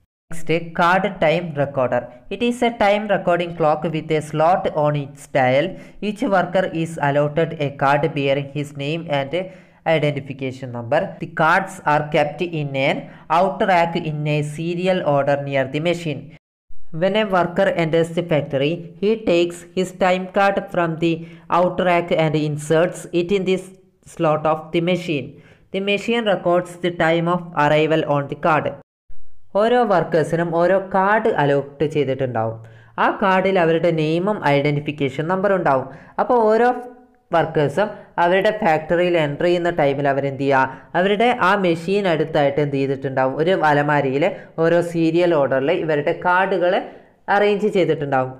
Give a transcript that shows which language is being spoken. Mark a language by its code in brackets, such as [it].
[en] Next, card time recorder. It is a time recording clock with a slot on its dial. Each worker is allotted a card bearing his name and identification number. The cards are kept in an out rack in a serial order near the machine. When a worker enters the factory, he takes his time card from the outer rack and inserts it in the slot of the machine. The machine records the time of arrival on the card. [ml] ഓരോ വർക്കേഴ്സിനും ഓരോ card allot ചെയ്തിട്ടുണ്ടാവും. ആ കാർഡിൽ അവരുടെ നെയിമും identification നമ്പറും ഉണ്ടാവും. അപ്പോൾ ഓരോ വർക്കേഴ്സും അവരുടെ ഫാക്ടറിയിൽ എൻ്റർ ചെയ്യുന്ന ടൈമിൽ അവരെന്ത് ചെയ്യുക, അവരുടെ ആ മെഷീൻ അടുത്തായിട്ട് എന്ത് ചെയ്തിട്ടുണ്ടാവും, ഒരു അലമാരിയിൽ ഓരോ സീരിയൽ ഓർഡറിൽ ഇവരുടെ കാർഡുകൾ അറേഞ്ച് ചെയ്തിട്ടുണ്ടാവും.